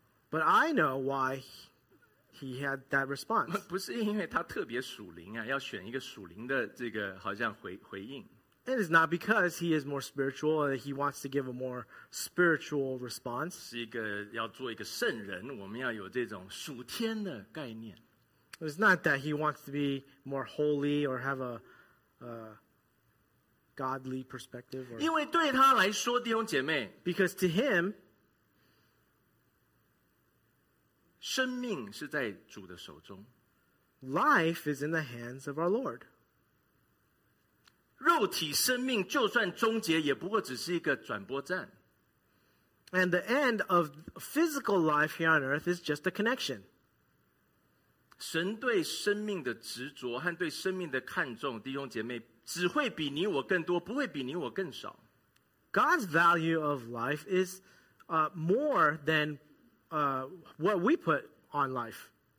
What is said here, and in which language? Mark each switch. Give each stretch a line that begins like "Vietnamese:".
English: But I know why he had that response.
Chinese: 不是因为他特别属灵啊, 要选一个属灵的这个好像回应。
English: It is not because he is more spiritual or that he wants to give a more spiritual response.
Chinese: 是一个要做一个圣人, 我们要有这种属天的概念。
English: It's not that he wants to be more holy or have a godly perspective. Or,
Chinese: 因为对他来说, 弟兄姐妹,
English: because to him,
Chinese: 生命是在主的手中,
English: life is in the hands of our Lord.
Chinese: 肉体生命就算终结也不过只是一个转播站。
English: And the end of physical life here on earth is just a connection.
Chinese: 神对生命的执着和对生命的看重，弟兄姐妹，只会比你我更多，不会比你我更少。
English: God's value of life is more than what we put on life.